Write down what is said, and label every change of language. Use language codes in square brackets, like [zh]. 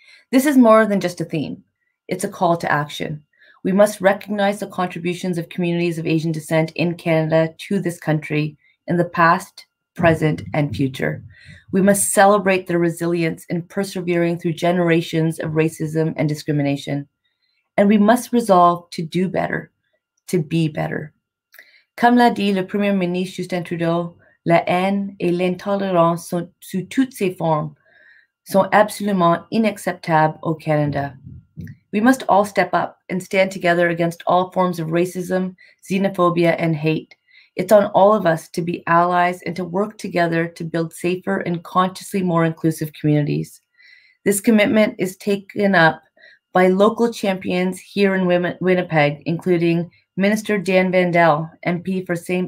[en] This is more than just a theme. It's a call to action. We must recognize the contributions of communities of Asian descent in Canada to this country in the past, present, and future. We must celebrate their resilience in persevering through generations of racism and discrimination. And we must resolve to do better, to be better. [fr] Comme l'a dit le Premier ministre Justin Trudeau, la haine et l'intolérance sous toutes ses formes sont absolument inacceptables au Canada. [en] We must all step up and stand together against all forms of racism, xenophobia, and hate. It's on all of us to be allies and to work together to build safer and consciously more inclusive communities. This commitment is taken up by local champions here in Winnipeg, including Minister Dan Vandel, MP for St.